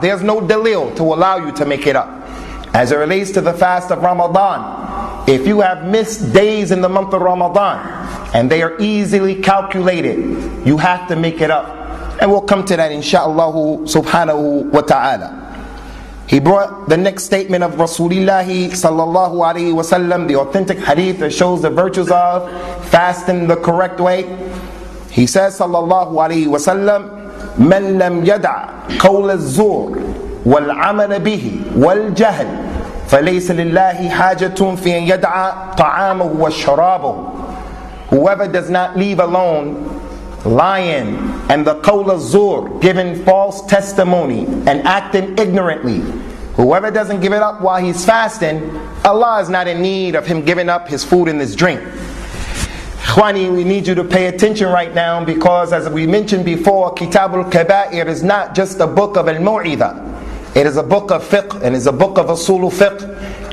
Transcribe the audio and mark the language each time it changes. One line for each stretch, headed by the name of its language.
English: There's no dalil to allow you to make it up. As it relates to the fast of Ramadan, if you have missed days in the month of Ramadan and they are easily calculated, you have to make it up. And we'll come to that insha'Allah subhanahu wa ta'ala. He brought the next statement of Rasulullah sallallahu alayhi wa sallam, the authentic hadith that shows the virtues of fasting the correct way. He says
Arabic: sallallahu alayhi wa sallam, مَنْ لَمْ يَدْعَ قَوْلَ الزُّورِ وَالْعَمَلَ بِهِ وَالْجَهْلِ فَلَيْسَ لِلَّهِ حَاجَةٌ فِي أَنْ يَدْعَ طَعَامَهُ وَالشَّرَابُهُ.
English: Whoever does not leave alone lying and the qawl al-zur, giving false testimony and acting ignorantly, whoever doesn't give it up while he's fasting, Allah is not in need of him giving up his food and his drink. Ikhwani, we need you to pay attention right now, because as we mentioned before, Kitab al-Kaba'ir is not just a book of al-mu'idha. It is a book of fiqh and is a book of usul fiqh,